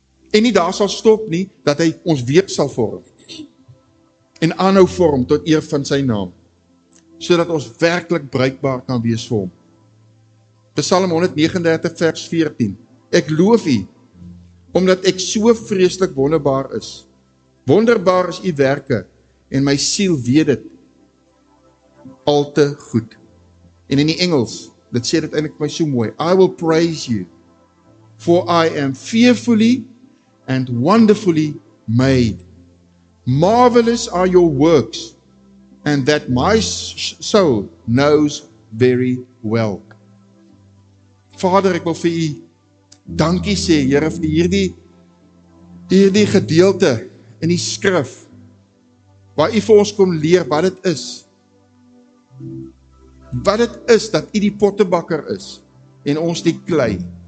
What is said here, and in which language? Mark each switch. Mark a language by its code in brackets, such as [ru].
[af] En nie daar sal stop nie, dat hy ons weer sal vorm. En aanhou vorm tot eer van sy naam. Sodat ons werklik bruikbaar kan wees vir hom. Psalm 139 vers 14. Ek loof u, omdat ek so vreeslik wonderbaar is. Wonderbaar is u werke, en my siel weet dit al te goed. En in die Engels, dit sê dit eintlik my so mooi. [en] I will praise you, for I am fearfully and wonderfully made. Marvelous are your works, and that my soul knows very well. [af] Vader, ek wil vir u dankie sê, Here, vir hierdie gedeelte in die skrif, waar u vir ons kom leer wat dit is. Wat dit is, dat u die pottebakker is, en ons die klei.